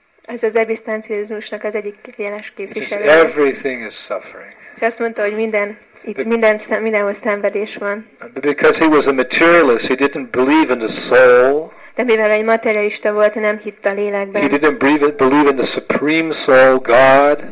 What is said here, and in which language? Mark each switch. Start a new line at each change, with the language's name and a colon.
Hungarian: Ez az egzisztencializmusnak az egyik jeles képviselője.
English: Everything is suffering.
Hungarian: És azt mondta, hogy mindenhol szenvedés van.
English: But because he was a materialist, he didn't believe in the soul.
Hungarian: De mivel egy materialista volt, nem hitt a lélekben.
English: He didn't believe in the supreme soul, God.